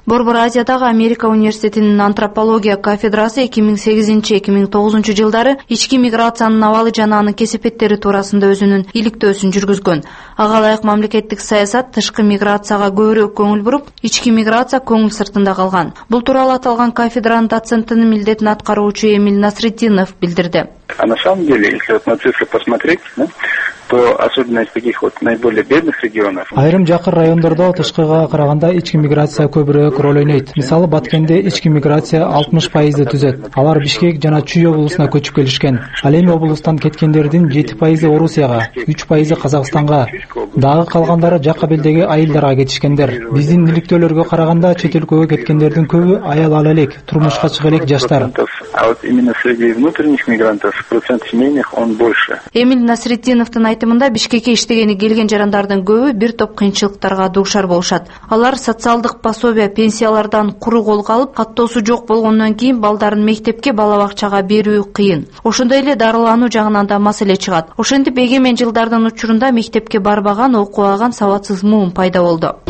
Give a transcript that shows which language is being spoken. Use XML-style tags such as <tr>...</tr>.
<ky>Борбор Азиядагы Америка университетинин антропология кафедрасы 2008-2009 жылдары ички миграциянын абалы жана анын кесепеттери туурасында өзүнүн иликтөөсүн жүргүзгөн. Ага ылайык мамлекеттик саясат тышкы миграцияга көбүрөөк көңүл буруп, ички миграция көңүл сыртында калган. Бул тууралуу аталган кафедранын доцентинин милдетин аткаруучу Эмиль Насретдинов билдирди.</ky> <ru>А на самом деле, если вот на цифры посмотреть, да, то особенно из таких вот наиболее бедных регионов.</ru> <ky>Айрым жакыр райондордо тышкыга караганда ички миграция көбүрөөк роль ойнойт. Мисалы, Баткенде ички миграция 60% түзөт. Алар Бишкек жана Чүй облусуна көчүп келишкен. Ал эми облустан кеткендердин 7% Орусияга, 3% Казакстанга, дагы калгандары жакка белдеги айылдарга кетишкендер. Биздин иликтөөлөргө караганда чет өлкөгө кеткендердин көбү аял ала элек, турмушка чыга элек жаштар.</ky> <ru>А вот именно среди внутренних мигрантов процент семейных он больше.</ru> <ky>Эмиль Насретдиновдун айтымында Бишкекке иштегени келген жарандардын көбү бир топ кыйынчылыктарга дуушар болушат. Алар социалдык пособие, пенсиялардан куру кол калып, каттоосу жок болгондон кийин балдарын мектепке, бала бакчага берүү кыйын. Ошондой эле дарылануу жагынан да маселе чыгат. Ошентип эгемен жылдардын учурунда мектепке барбаган, окубаган саватсыз муун пайда болду.</ky>